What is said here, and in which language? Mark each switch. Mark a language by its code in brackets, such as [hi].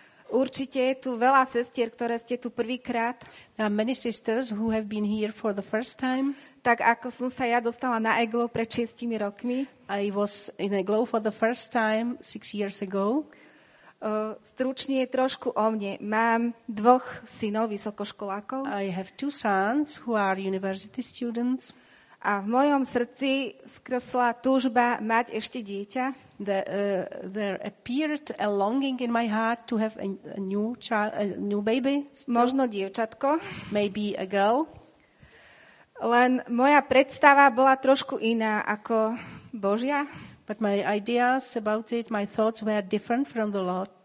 [sk] Určite je tu veľa sestier, ktoré ste tu prvýkrát. [en] There are many sisters who have been here for the first time. [sk] Tak ako som sa ja dostala na Eglow pred 6 rokmi. [en] I was in Eglow for the first time 6 years ago. [sk] Stručne trošku o mne. Mám dvoch synov vysokoškolákov. [en] I have two sons who are university students. [sk] A v mojom srdci skresla túžba mať ešte dieťa. [en] There appeared a longing in my heart to have a new baby. Still. [sk] Možno dievčatko. [en] Maybe a girl. [sk] Len moja predstava bola trošku iná ako Božia. [en] But my ideas about it, my thoughts were different from the Lord.